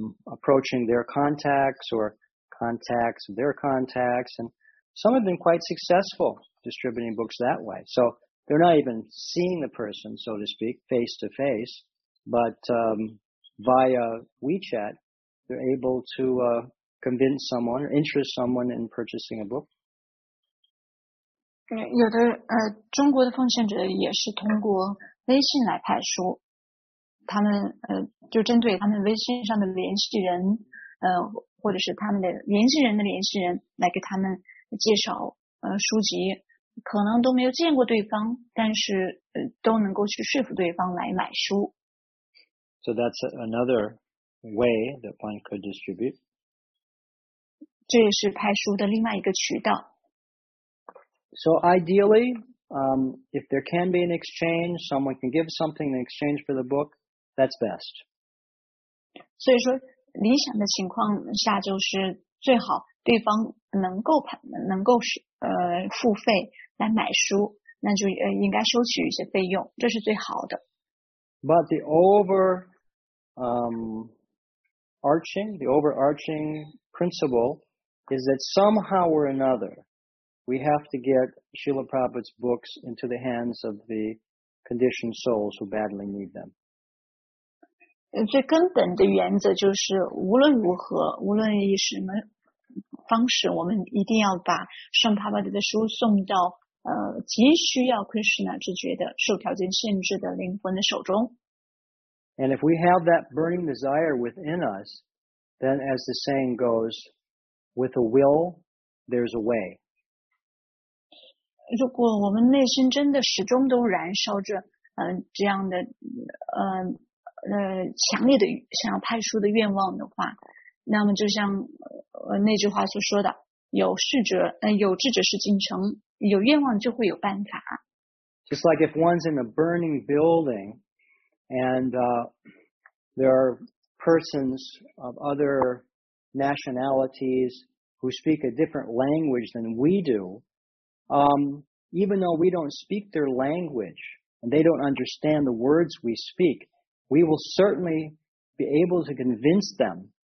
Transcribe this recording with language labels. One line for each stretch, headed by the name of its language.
English: approaching their contacts or contacts of their contacts, and some have been quite successful distributing books that way. So they're not even seeing the person, so to speak, face to face, but via WeChat, they're able to convince someone or interest someone in purchasing a book.
Chinese: 有的中国的奉献者也是通过微信来派书。他们就针对他们微信上的联系人，或者是他们的联系人的联系人来给他们介绍书籍，可能都没有见过对方，但是都能够去说服对方来买书。
English: So that's another way that one could distribute.
Chinese: 这也是派书的另外一个渠道。
English: So ideally, if there can be an exchange, someone can give something in exchange for the book. That's best.
Chinese: 所以说理想的情况下就是最好对方能够付费来买书，那就应该收取一些费用，这是最好的。
English: But the overarching principle is that somehow or another, we have to get Srila Prabhupada's books into the hands of the conditioned souls who badly need them.
Chinese: 最根本的原则就是无论如何，无论以什么方式，我们一定要把圣帕巴德的书送到急需要 Krishna 之觉的受条件限制的灵魂的手中。
English: And if we have that burning desire within us, then as the saying goes, with a will, there's a way.
Chinese: 如果我们内心真的始终都燃烧着这样的强烈的想要派书的愿望的话，那么就像那句话所说的，有志者事竟成，有愿望就会有办法。
English: Just like if one's in a burning building, and there are persons of other nationalities who speak a different language than we do, even though we don't speak their language and they don't understand the words we speak.We will certainly be able to convince them